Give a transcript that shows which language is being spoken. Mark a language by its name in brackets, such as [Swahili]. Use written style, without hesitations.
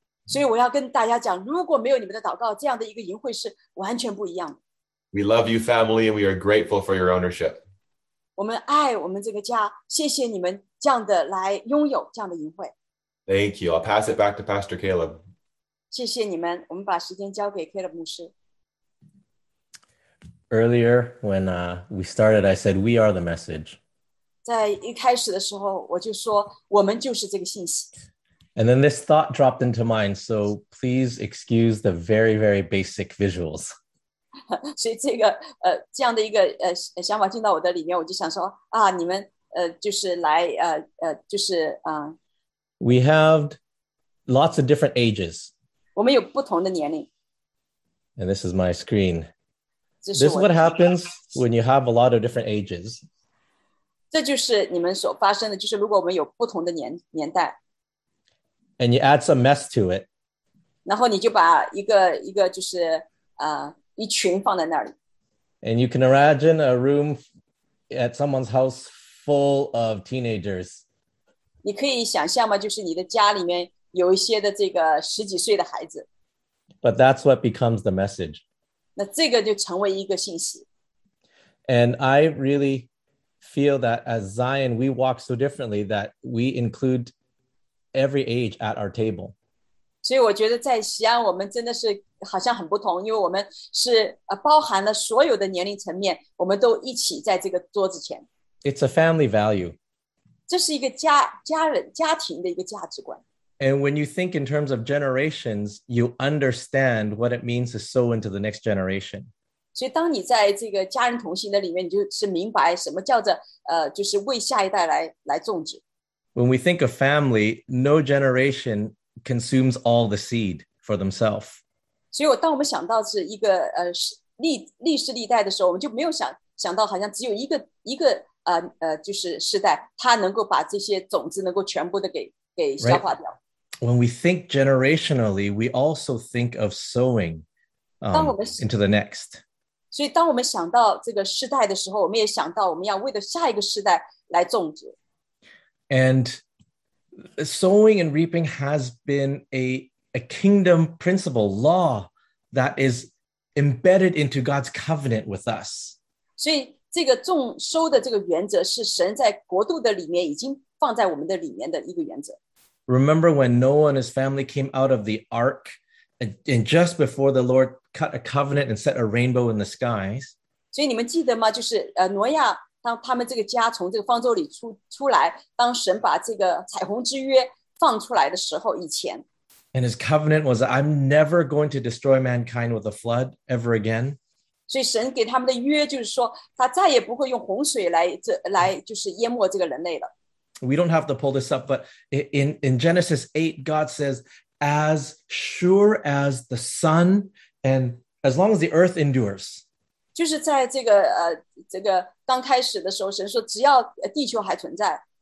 [Chinese] 所以我要跟大家讲，如果没有你们的祷告，这样的一个营会是完全不一样的。 [English] We love you, family, and we are grateful for your ownership. [Chinese] 我们爱我们这个家，谢谢你们这样的来拥有这样的营会。 [English] Thank you. I'll pass it back to Pastor Caleb. [Chinese] 谢谢你们，我们把时间交给 Caleb 牧师。 [English] Earlier, when we started, I said, we are the message. [Chinese] 在一开始的时候，我就说，我们就是这个信息。 [English] And then this thought dropped into mind, so please excuse the very, very basic visuals. [Chinese] 所以这个这样的一个想法进到我的里面，我就想说啊，你们就是来就是 [English] We have lots of different ages. [Chinese] 我们有不同的年龄。 [English] And this is my screen. This is what happens when you have a lot of different ages. [Chinese] 这就是你们所发生的，就是如果我们有不同的年代。 [English] And you add some mess to it. [Chinese] 然后你就把一个就是一群放在那里。 [English] And you can imagine a room at someone's house full of teenagers. [Chinese] 你可以想象吗？就是你的家里面有一些的这个十几岁的孩子。 [English] But that's what becomes the message. [Chinese] 那这个就成为一个信息。 [English] And I really feel that as Zion, we walk so differently that we include every age at our table. [Chinese] 所以我觉得在西安我们真的是好像很不同，因为我们是包含了所有的年龄层面，我们都一起在这个桌子前。 [English] It's a family value. [Chinese] 这是一个家人家庭的一个价值观。 [English] And when you think in terms of generations, you understand what it means to sow into the next generation. [Chinese] 所以当你在这个家人同行的里面，你就是明白什么叫做就是为下一代来种植。 [English] When we think of family, no generation consumes all the seed for themselves. [Chinese] 所以当我们想到是一个历世历代的时候，我们就没有想到好像只有一个就是世代，他能够把这些种子能够全部的给消化掉。 [English] Right. When we think generationally, we also think of sowing into the next. [Chinese] 所以当我们想到这个世代的时候，我们也想到我们要为了下一个世代来种植。 [English] And sowing and reaping has been a kingdom principle law that is embedded into God's covenant with us. [Chinese] 所以这个种收的这个原则是神在国度的里面已经放在我们的里面的一个原则。 [English] Remember when Noah and his family came out of the ark And just before the Lord cut a covenant and set a rainbow in the skies. [Chinese] 所以你们记得吗? 就是, 挪亚, 当他们这个家, 从这个方舟里出, 出来, 当神把这个彩虹之约放出来的时候, 以前, [English] and his covenant was, I'm never going to destroy mankind with a flood ever again. [Chinese] 所以神给他们的约就是说, 他再也不会用洪水来淹没这个人类了。 [English] We don't have to pull this up, but in Genesis 8, God says, as sure as the sun and as long as the earth endures. [Chinese] 就是在这个, 这个刚开始的时候, 神说, 只要地球还存在,